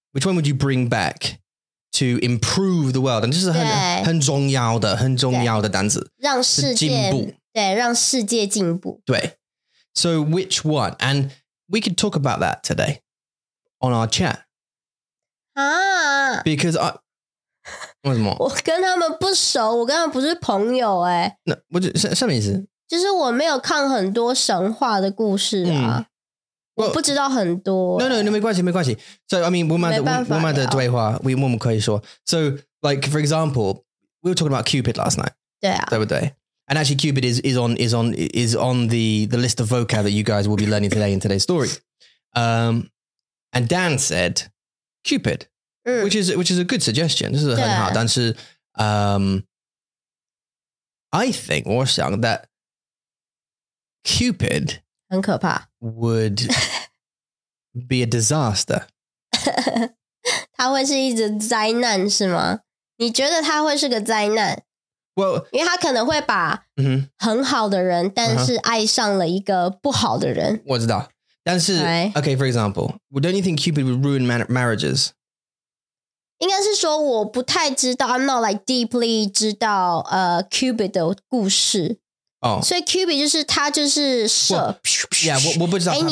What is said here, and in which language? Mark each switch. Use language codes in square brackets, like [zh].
[en] Which one would you bring back to improve the world? And this is a [zh] 很重要的,很重要的单词, 让世界对，让世界进步。 [en] 对 ，So which one? And we could talk about that today on our chat. 啊，Because I [zh] 为什么？我跟他们不熟，我跟他们不是朋友哎。那我就什么意思？就是我没有看很多神话的故事啊。 Well, 我不知道很多。 No, 没关系，没关系。 [en] So I mean, [zh] 我们的对话 我们可以说。 [en] So like for example, we were talking about Cupid last night. [zh] 对啊，对不对？ [en] And actually, Cupid is on the list of vocab that you guys will be learning today in today's story. And Dan said, Cupid, which is a good suggestion. This is a [zh] 很好但是, [en] I think, [zh] 我想, [en] that Cupid [zh] 很可怕 [en] would be a disaster. [zh] 他会是一直灾难是吗？你觉得他会是个灾难？ [en] Well, [zh] 因为他可能会把很好的人但是爱上了一个不好的人。我知道。但是 [en] okay, for example, don't you think Cupid would ruin marriages? [zh] 应该是说我不太知道 [en] I'm not like deeply [zh] 知道Cupid 的故事。 [en] Oh. [zh] 所以 Cupid 就是他就是射。 [en] Yeah, [zh] 我不知道他的故事。